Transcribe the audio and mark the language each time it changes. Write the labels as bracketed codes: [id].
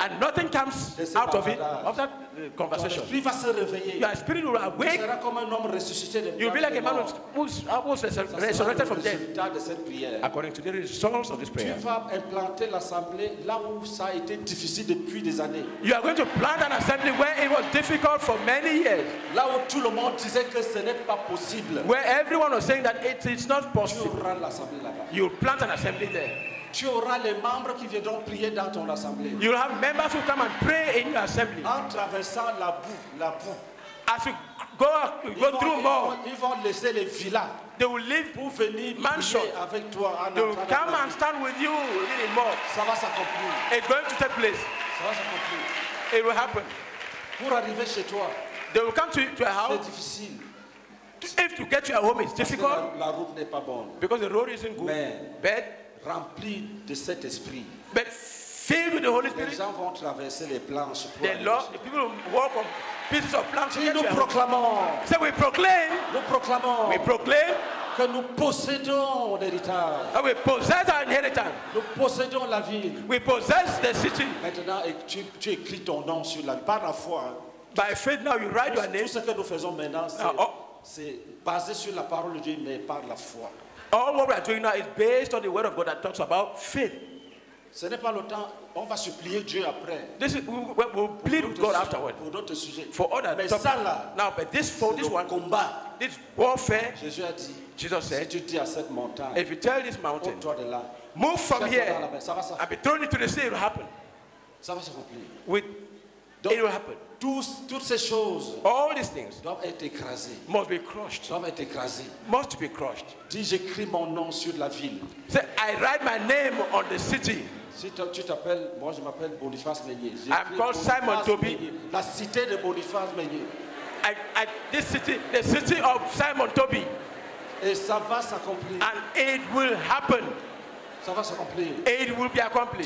[en] And nothing comes out of it of that conversation. [fr] Ton esprit va se réveiller. [en] Your spirit will awake. [fr] Tu seras comme un homme ressuscité. [en] You'll be like a man who was resurrected from death. [fr] Résultat de cette prière. [en] According to the results of this prayer. [fr] Tu vas implanter l'assemblée là où ça a été difficile depuis des années. [en] You are going to plant an assembly where it was difficult for many years. [fr] Là où tout le monde disait que ce n'est pas possible. [en] Where everyone was saying that it's not possible. [fr] Tu auras l'assemblée là-bas. [en] You'll plant an assembly there. [fr] Tu auras les membres qui viendront prier dans ton assemblée. [en] You'll have members who come and pray in your assembly. [fr] En traversant la boue. [en] As you go through more. [fr] Ils vont laisser les villas. [en] They will leave [fr] pour venir [en] mansion. [fr] Prier avec toi. [en] They will come and stand with you a little more. [fr] Ça va s'accomplir. [en] It's going to take place. [fr] Ça va s'accomplir. [en] It will happen. [fr] Pour arriver chez toi. [en] They will come to your house. [fr] C'est difficile. [en] If to get to your home is difficult, [fr] la route n'est pas bonne. [en] Because the road isn't good. [fr] Mais [en] but [fr] rempli de cet esprit, [en] but filled with the Holy Spirit, [fr] les gens vont traverser les planches. [en] The Lord, the people walk on pieces of planches. [fr] Et nous proclamons. [en] So we proclaim. [fr] Nous proclamons. [en] We proclaim [fr] que nous possédons l'héritage. [en] That we possess our inheritance. [fr] Nous possédons la ville. [en] We possess the city. [fr] Maintenant, tu écris ton nom sur la par la foi. [en] By faith, now you write your name. [fr] Tout ce que nous faisons maintenant, c'est basé sur la parole de Dieu, mais par la foi. [en] All what we are doing now is based on the word of God that talks about faith. [fr] Ce n'est pas le temps. On va supplier Dieu après. [en] This is we'll plead with God afterward. [fr] Pour d'autres sujets. [en] For other. [fr] Mais ça là. [en] Now, but this for this one [fr] combat. [en] This warfare. [fr] Jésus a dit. [en] Jesus said. [fr] Si tu dis à cette montagne. [en] If you tell this mountain. [fr] Ôte-toi de là. [en] Move from here. [fr] Ça va [en] I'll be thrown into the sea. It will happen. [fr] Ça va s'accomplir. [en] With. Donc, it will happen. [fr] Toutes ces choses, [en] all these things, [fr] doivent être écrasées. [en] Must be crushed. [fr] Doivent être écrasées. [en] Must be crushed. [fr] Dis, j'écris mon nom sur la ville. [en] Say, I write my name on the city. [fr] Si tu t'appelles, moi je m'appelle Boniface Meunier. [en] I'm called Boniface Simon Toby. [fr] La cité de Boniface Meunier. [en] This city, the city of Simon Toby. [fr] Et ça va s'accomplir. [en] And it will happen. [fr] Ça va s'accomplir. [en] And it will be accomplished.